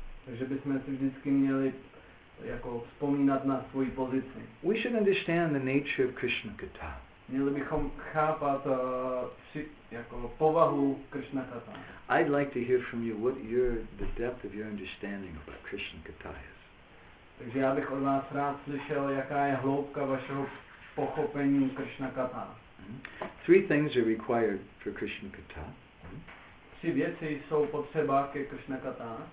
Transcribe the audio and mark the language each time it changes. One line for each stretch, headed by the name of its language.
Czech: Takže bychom si vždycky měli jako vzpomínat na svoji pozici.
English: We should understand the nature of Krishna Katha.
Czech: Měli bychom chápat jako povahu Krishna Katha.
English: I'd like to hear from you what your the depth of your understanding about Krishna Katha is.
Czech: Takže já bych od vás rád slyšel, jaká je hloubka vašeho pochopení Krishna Katha.
English: Three things are required for Krishna Katha.
Czech: Tři věci jsou potřeba ke Krishna Katha.